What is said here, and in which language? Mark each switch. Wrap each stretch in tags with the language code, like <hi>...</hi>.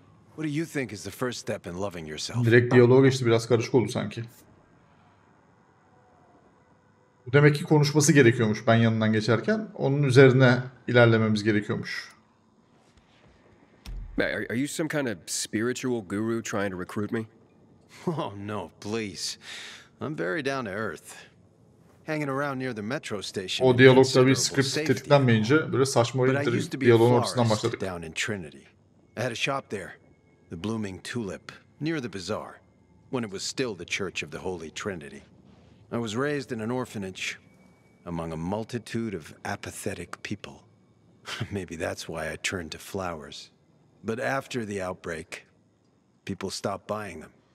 <en>What do you think is the first step in loving yourself?</en> <tr>Direkt diyalog geçti, biraz karışık oldu sanki. Bu demek ki konuşması gerekiyormuş ben yanından geçerken. Onun üzerine ilerlememiz gerekiyormuş.</tr> <en>Are you some kind of spiritual guru trying to recruit me? Oh no, please. I'm very down to earth. Hanging around near the metro station.</en> <tr>O diyalogta bir script tetiklenmeyince böyle saçma bir diyalogun ortasından başladık.</tr> <en>Down in Trinity. I had a shop there, the Blooming Tulip, near the bazaar, when it was still the Church of the Holy Trinity. I was raised in an orphanage among a multitude of apathetic people. Maybe that's why I turned to flowers. But after the outbreak, people stopped buying them.</en>